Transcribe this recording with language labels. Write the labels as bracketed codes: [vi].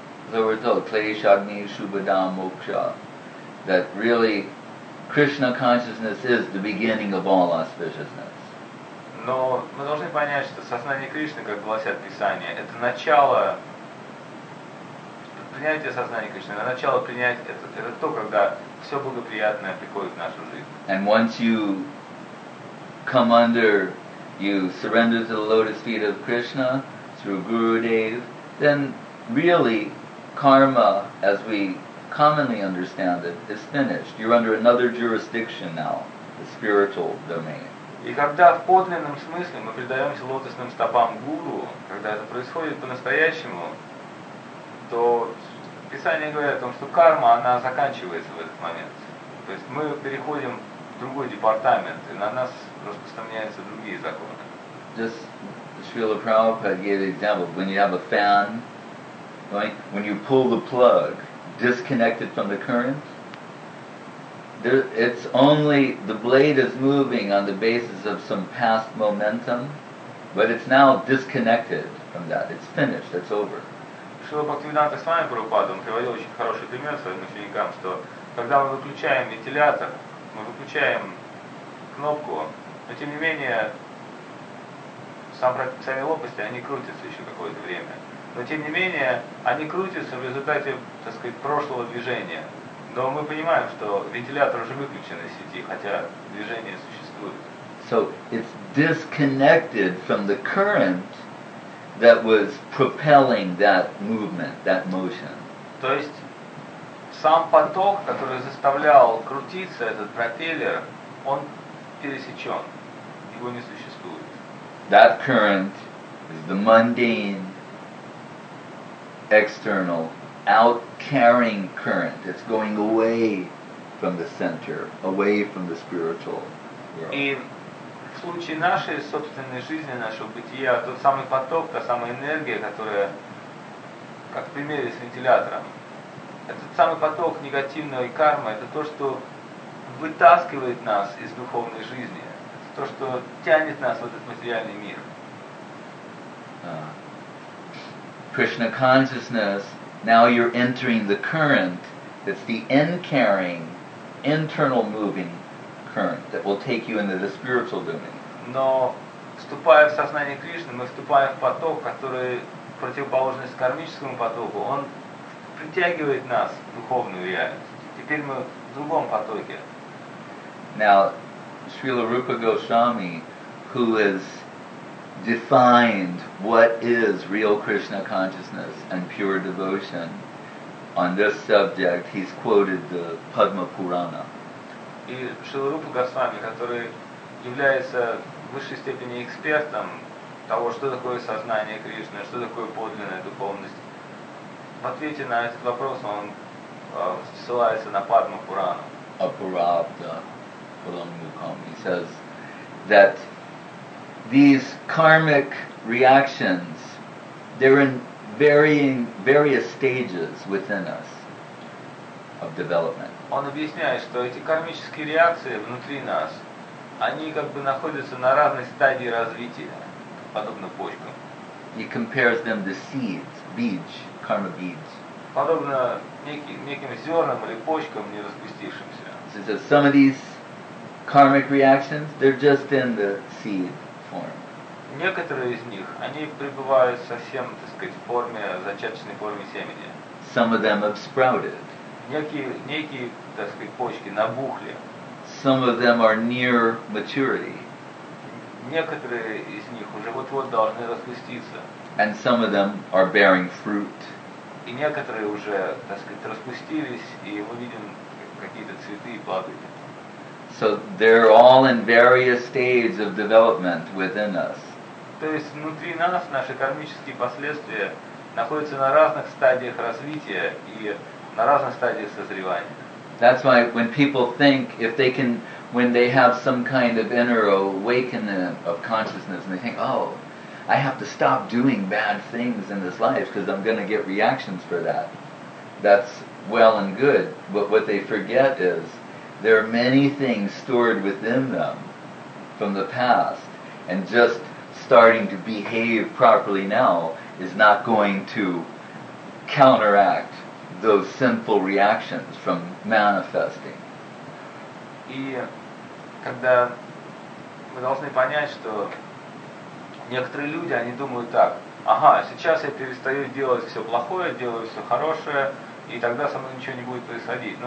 [en] so we're told [sa] kleshagni shubhada moksha, [en] that really Krishna consciousness is the beginning of all auspiciousness. [ru] Но мы должны понять, что сознание Кришны, как гласят Писания, это начало принятия сознания Кришны, это начало принятия, это то, когда все благоприятное приходит в нашу жизнь. [en] And once you come under, you surrender to the lotus feet of Krishna through Gurudev, then really karma, as we commonly understand it, is finished. You're under another jurisdiction now, the spiritual domain. [ru] И когда в подлинном смысле мы предаемся лотосным стопам гуру, когда это происходит по-настоящему, то Писание говорит о том, что карма, она заканчивается в этот момент. То есть мы переходим в другой департамент, и на нас распространяются другие законы. [en] Srila Prabhupada gave the example, when you have a fan, right? When you pull the plug, disconnected from the current. There, it's only the blade is moving on the basis of some past momentum, but it's now disconnected from that. It's finished. It's over. [ru] Шрила Бхактивиданта Свами Прабхупада, он приводил очень хороший пример своим ученикам, что когда мы выключаем вентилятор, мы выключаем кнопку, но тем не менее сами лопасти, они крутятся еще какое-то время. Но тем не менее, они крутятся в результате, так сказать, прошлого движения. Но мы понимаем, что вентилятор уже выключен из сети, хотя движение существует. [en] So it's disconnected from the current that was propelling that movement, that motion. [ru] То есть сам поток, который заставлял крутиться этот пропеллер, он пересечен, его не существует. [en] That current is the mundane external out carrying current. It's going away from the center, away from the spiritual world. [ru] В случае нашей собственной жизни, нашего бытия, тот самый поток, та самая энергия, которая, как в примере с вентилятором, этот самый поток негативной кармы, это то, что вытаскивает нас из духовной жизни, это то, что тянет нас в этот материальный мир. [en] Krishna consciousness, now you're entering the current, it's the in-carrying, internal moving current that will take you into the spiritual domain. [ru] Но вступая в сознание Кришны, мы вступаем в поток, который противоположный кармическому потоку. Он притягивает нас в духовную реальность. Теперь мы в другом потоке. [en] Now, Srila Rupa Goswami, who has defined what is real Krishna consciousness and pure devotion, on this subject, he's quoted the Padma Purana. [ru] И Srila Rupa Goswami, который является в высшей степени экспертом того, что такое сознание Кришны, что такое подлинная духовность. В ответе на этот вопрос он ссылается на Падма Пурану. Апуравда Паламмукам. [en] He says that these karmic reactions, they're in various stages within us of development. [ru] Он объясняет, что эти кармические реакции внутри нас, они как бы находятся на разной стадии развития, подобно почкам. [en] He compares them to seeds, beads, karma beads. [ru] Подобно неким зернам или почкам, не распустившимся. [en] So he says some of these karmic reactions, they're just in the seed form. [ru] Некоторые из них, они пребывают совсем, так сказать, в форме, зачаточной форме семени. [en] Some of them have sprouted. [ru] Некие, так сказать, почки набухли. [en] Some of them are near maturity. [ru] Некоторые из них уже вот-вот должны распуститься. [en] And some of them are bearing fruit. [ru] И некоторые уже, так сказать, распустились, и мы видим какие-то цветы и плоды. [en] So they're all in various stages of development within us. [ru] То есть внутри нас наши кармические последствия находятся на разных стадиях развития и на разных стадиях созревания. [en] That's why when people think if they can, when they have some kind of inner awakening of consciousness, and they think, oh, I have to stop doing bad things in this life because I'm going to get reactions for that. That's well and good. But what they forget is there are many things stored within them from the past, and just starting to behave properly now is not going to counteract those sinful reactions from manifesting. [ru] И когда мы должны понять, что некоторые люди, они думают так: ага, сейчас я перестаю делать все плохое, делаю все хорошее, и тогда со мной ничего не будет происходить.